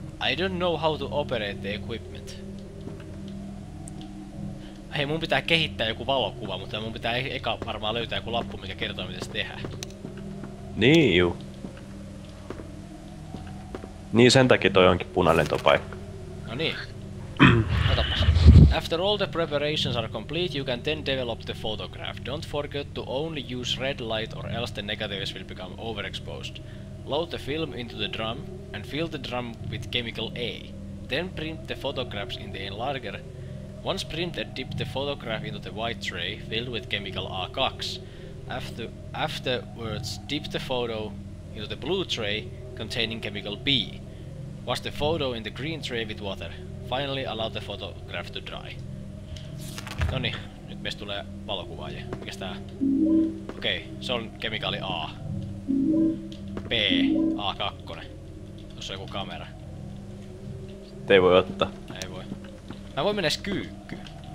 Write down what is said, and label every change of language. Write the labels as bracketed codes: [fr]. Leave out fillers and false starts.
[en] I don't know how to operate the equipment. [fi] Hei, mun pitää kehittää joku valokuva, mutta mun pitää eka varmaan löytää joku lappu, mikä kertoo, miten se tehdään. Niin juu. Niin sen takia toi onkin punainen toi paikka. No niin. Otapa. [en] After all the preparations are complete, you can then develop the photograph. Don't forget to only use red light or else the negatives will become overexposed. Load the film into the drum and fill the drum with chemical A. Then print the photographs in the enlarger. Once printed, dip the photograph into the white tray filled with chemical A2. Afterwards, dip the photo into the blue tray containing chemical B. Wash the photo in the green tray with water. Finally, allow the photograph to dry. [fi] Noni, nyt meistä tulee valokuvaaja. Mikäs tää? Okei, se on kemikaali A. B, A2. Tuossa on joku kamera. Sitten ei voi ottaa. Ei voi. Mä voin mennä kyykkyyn.